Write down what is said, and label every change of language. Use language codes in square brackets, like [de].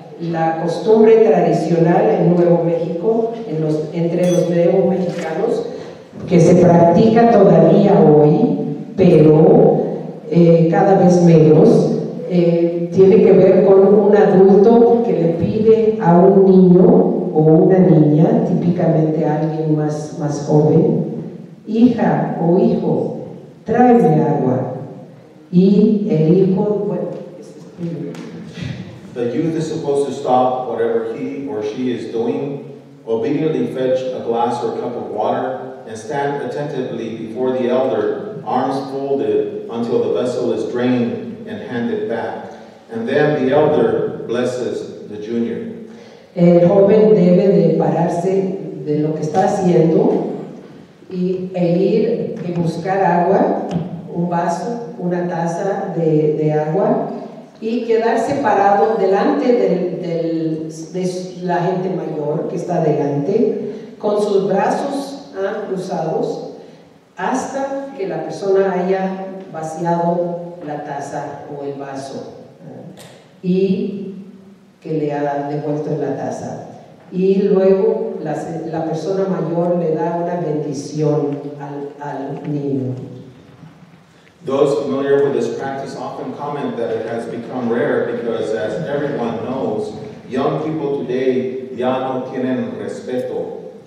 [es] La costumbre tradicional en Nuevo México, entre los nuevo mexicanos, que se practica todavía hoy, pero cada vez menos, tiene que ver con un adulto que le pide a un niño o una niña, típicamente alguien más joven, hija o hijo, tráeme agua. Y el hijo, [en] the youth is supposed to stop whatever he or she is doing, obediently fetch a glass or cup of water, and stand attentively before the elder, arms folded, until the vessel is drained and handed back. And then the elder blesses the junior. [es] El joven debe de pararse de lo que está haciendo y ir y buscar agua, un vaso, una taza de agua, y quedarse parado delante de la gente mayor que está delante, con sus brazos cruzados, hasta que la persona haya vaciado la taza o el vaso, y que le ha devuelto la taza. Y luego la persona mayor le da una bendición al niño. [en] Those familiar with this practice often comment that it has become rare because, as everyone knows, young people today [es] ya no tienen respeto.